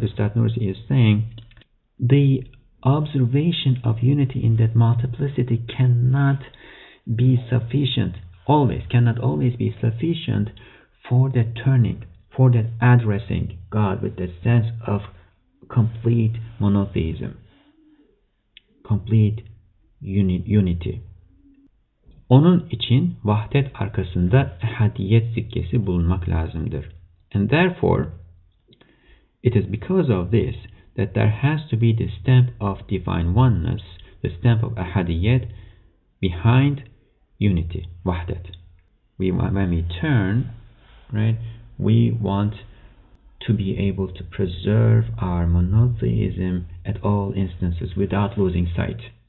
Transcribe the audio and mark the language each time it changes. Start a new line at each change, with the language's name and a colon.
English: Ustad Nursi is saying, the observation of unity in that multiplicity cannot be sufficient, cannot always be sufficient for that turning, for that addressing God with the sense of complete monotheism, complete unity.
Turkish: Onun için vahdet arkasında ehadiyet sikkesi bulunmak lazımdır.
English: And therefore, it is because of this that there has to be the stamp of divine oneness, the stamp of ehadiyet behind unity, vahdet. When we turn, right, we want to be able to preserve our monotheism at all instances without losing sight.